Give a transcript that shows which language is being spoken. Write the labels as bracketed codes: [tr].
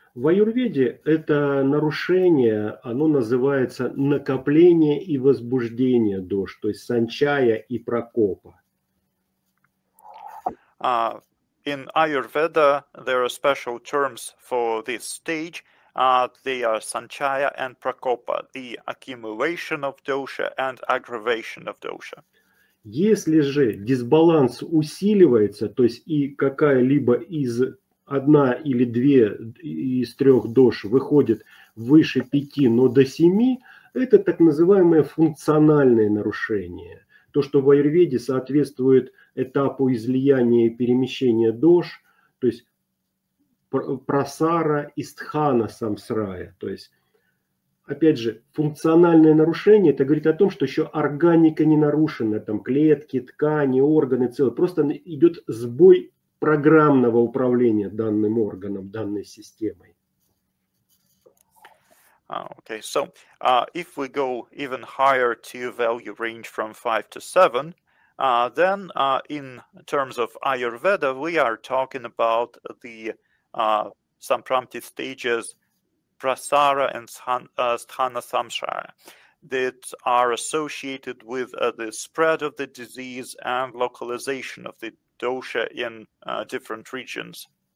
[ru] В аюрведе это нарушение, оно называется накопление и возбуждение дош, то есть санчая и прокопа. [en] In Ayurveda, there are special terms for this stage, They are Sanchaya and Prakopa, the accumulation of dosha and aggravation of dosha. [ru] Если же дисбаланс усиливается, то есть и какая-либо из одна или две из трех дош выходит выше пяти, но до семи, это так называемое функциональное нарушение. То, что в аюрведе соответствует этапу излияния и перемещения дош, то есть прасара и стхана самсрая. То есть, опять же, функциональное нарушение, это говорит о том, что еще органика не нарушена, там клетки, ткани, органы целые. Просто идет сбой программного управления данным органом, данной системой. [en] Okay, so if we go even higher to value range from 5 to 7, then in terms of Ayurveda, we are talking about the samprapti stages prasara and sthana samsara that are associated with the spread of the disease and localization of the dosha in different regions.